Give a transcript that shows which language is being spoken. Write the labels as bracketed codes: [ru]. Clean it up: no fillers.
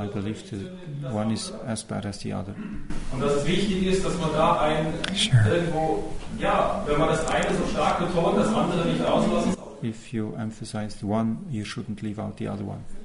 [en] I believe the one is as bad as the other. [de] Und dass es wichtig ist, dass man da ein irgendwo, ja, wenn man das eine so stark betont, das andere nicht auslassen. [en] If you emphasize the one, you shouldn't leave out the other one.